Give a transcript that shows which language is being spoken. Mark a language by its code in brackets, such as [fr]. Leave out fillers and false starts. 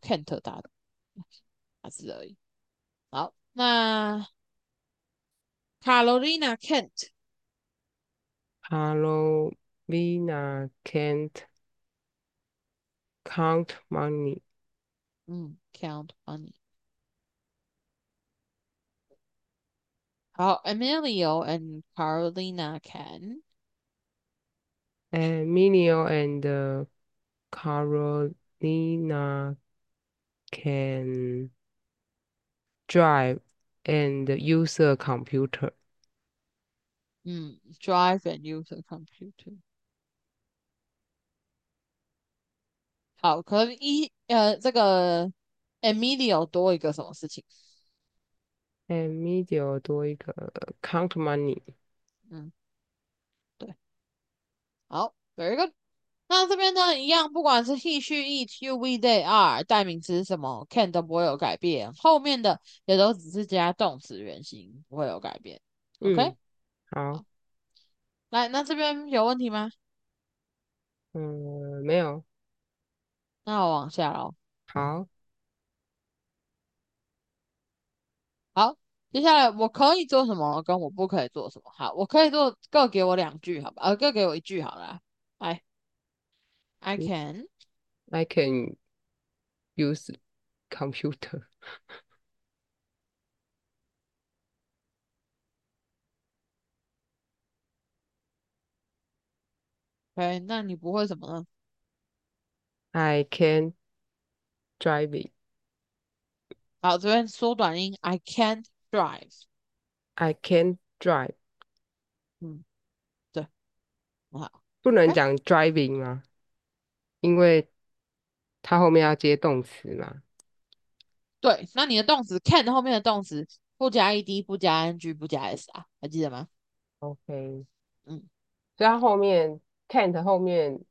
[zh] Kent 打的，打字而已。好，那卡罗琳娜 Kent， [en] Hello, Vina can't count money. count money。好，Emilio and Carolina can。 Emilio and Carolina can drive and use a computer. Drive and use a computer。 [zh] 好，可以，这个 Emilio 多一个什么事情？ Emilio 多一个 count money。 [en] 好，very good。 [zh] 那这边呢，一样，不管是 he, she, it, you, we, they, are，代名词是什么，can 都不会有改变，后面的也都只是加动词原形，不会有改变。 [en] OK， [zh] 嗯，好。来，那这边有问题吗？没有。那我往下喽。好。好，接下来我可以做什么，跟我不可以做什么。好，我可以做，各给我两句，好吧？各给我一句好了。哎。 I can. [en] I can use computer. [zh] OK，那你不会什么呢？ [en] I can drive it. [zh] 好，这边缩短音， I can't drive. [en] I can drive. [zh] 好。不能讲 driving 吗？因为它后面要接动词嘛。对，那你的动词 can 后面的动词不加 ed 不加 ing 不加 s 啊，还记得吗？ OK，所以它后面 can't 后面。